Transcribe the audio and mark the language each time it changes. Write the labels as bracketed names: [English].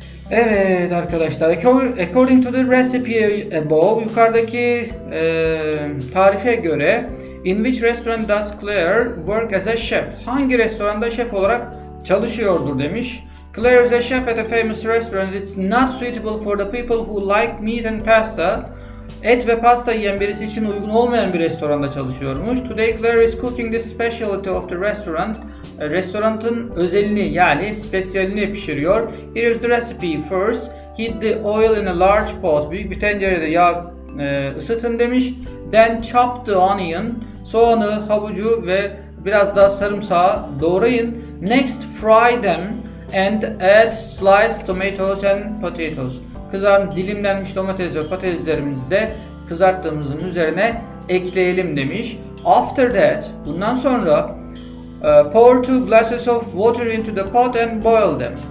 [Turkish] Evet arkadaşlar, [English] according to the recipe above, [Turkish] yukarıdaki tarife göre, [English] in which restaurant does Claire work as a chef? [Turkish] Hangi restoranda şef olarak çalışıyordur demiş. [English] Claire is a chef at a famous restaurant. It's not suitable for the people who like meat and pasta. [Turkish] Et ve pasta yiyen birisi için uygun olmayan bir restoranda çalışıyormuş. [English] Today Claire is cooking the specialty of the restaurant. [Turkish] Restoranın özelini, yani spesiyalini pişiriyor. [English] Here is the recipe first. Heat the oil in a large pot. [Turkish] Büyük bir tencerede yağ ısıtın demiş. [English] Then chop the onion. [Turkish] Soğanı, havucu ve biraz daha sarımsağı doğrayın. [English] Next fry them and add sliced tomatoes and potatoes. [Turkish] Dilimlenmiş domates ve patateslerimizi de kızarttığımızın üzerine ekleyelim demiş. [English] After that, [Turkish] bundan sonra [English] pour 2 glasses of water into the pot and boil them.